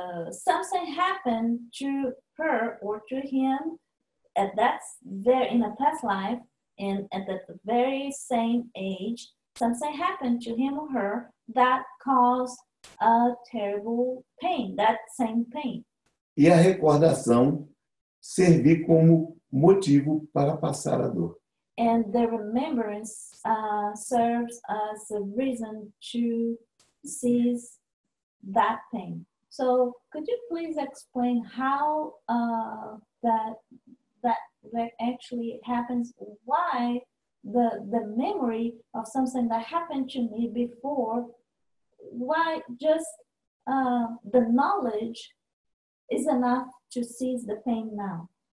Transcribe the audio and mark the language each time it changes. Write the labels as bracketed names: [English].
[English] something happened to her or to him at that there in a past life, and at the very same age, something happened to him or her that caused a terrible pain, that same pain. [Portuguese] E a recordação servir como motivo para passar a dor. [English] And the remembrance serves as a reason to cease that pain. So could you please explain how that actually happens, why the memory of something that happened to me before, why just the knowledge is enough to cease the pain now?